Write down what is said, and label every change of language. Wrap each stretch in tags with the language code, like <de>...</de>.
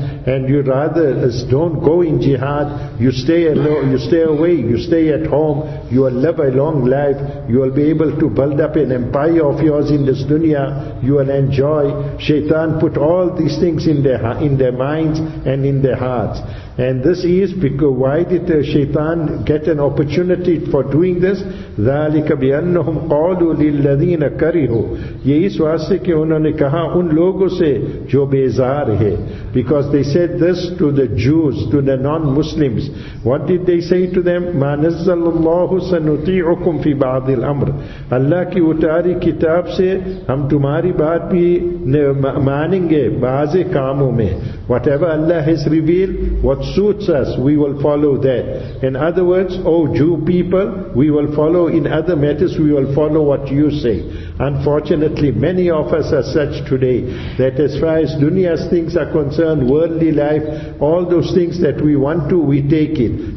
<en>And you rather don't go in jihad, you stay alone, you stay away, you stay at home, you will live a long life, you will be able to build up an empire of yours in this dunya, you will enjoy. Shaitan put all these things in their minds and in their hearts. And this is because, why did Shaitan get an opportunity for doing this?</en> <ar>ذَلِكَ بِأَنَّهُمْ قَالُوا لِلَّذِينَ كَرِهُوا.</ar> <ur>یہ اس واسطے کہ انہوں نے کہا ان لوگوں سے جو بیزار ہے.</ur> <en>Because they said this to the Jews, to the non-Muslims. What did they say to them?</en> <ar>مَا نَزَّلُ اللَّهُ سَنُطِيعُكُمْ فِي بَعْضِ الْأَمْرِ.</ar> <ur>اللہ کی اتاری کتاب سے ہم تمہاری بات بھی مانیں گے بعض کاموں میں.</ur> <en>Whatever Allah has revealed, what suits us, we will follow that. In other words, O Jew people, we will follow in other matters, we will follow what you say. Unfortunately, many of us are such today, that as far as dunya's things are concerned, worldly life, all those things that we want to, we take it.</en>